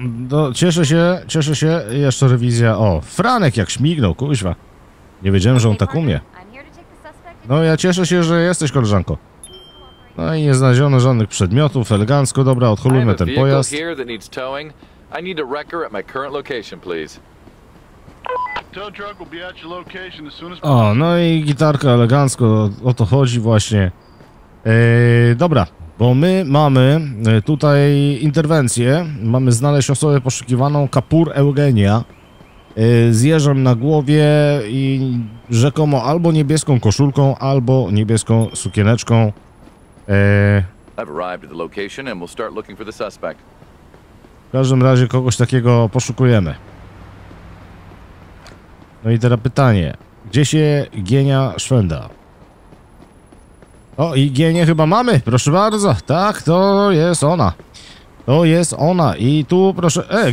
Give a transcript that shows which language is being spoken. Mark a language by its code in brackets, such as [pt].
[pl] No, cieszę się, jeszcze rewizja. O, Franek jak śmignął, kuźwa. Nie wiedziałem, że on tak umie. No, ja cieszę się, że jesteś, koleżanko. No i nie znaleziono żadnych przedmiotów, elegancko, dobra, odholujmy ten pojazd. [en] I need a wrecker at my current location, please. Tow truck will be at your location as soon as possible. [pl] O, no i gitarka elegancko, o to chodzi właśnie. Dobra, bo my mamy tutaj interwencję. Mamy znaleźć osobę poszukiwaną, Kapur Eugenia. Z jeżem na głowie i rzekomo albo niebieską koszulką, albo niebieską sukieneczką. [en] I've arrived at the location and we'll start looking for the suspect. [pl] W każdym razie kogoś takiego poszukujemy. No i teraz pytanie. Gdzie się genia Szwenda? O, i genię chyba mamy, proszę bardzo. Tak, to jest ona. To jest ona i tu proszę...